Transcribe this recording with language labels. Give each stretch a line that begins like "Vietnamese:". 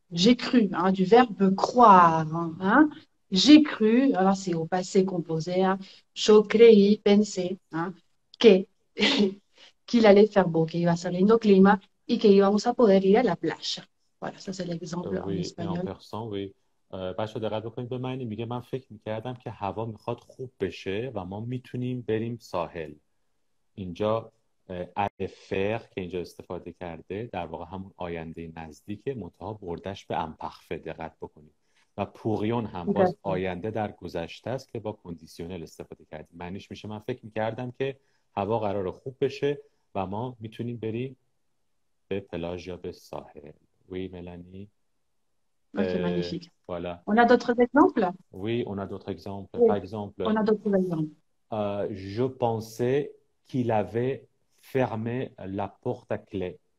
French: J'ai cru, hein, du verbe croire. Hein. J'ai cru, alors c'est au passé composé, hein, je croyais, pensais, hein, qu'il allait faire beau, qu'il va faire le climat et qu'il va pouvoir aller à la plage. Voilà, ça c'est l'exemple en Oui, et en espagnol. persan, oui.
Persian: بچه دقت بکنید به معنی میگه من فکر میکردم که هوا میخواد خوب بشه و ما میتونیم بریم ساحل. اینجا افر که اینجا استفاده کرده در واقع همون آینده نزدیکه، منتها بردش به امپخفه دقت بکنید. و پوریون هم باز آینده در گذشته است که با کندیسیونل استفاده کردیم. معنیش میشه من فکر میکردم که هوا قرار خوب بشه و ما میتونیم بریم به پلاژ یا به ساحل.
French: وی ملانی Ok, magnifique. Voilà. On a d'autres exemples? Oui, on a d'autres exemples. Oui, Par exemple, on a d'autres exemples. je pensais qu'il avait fermé la porte à clé.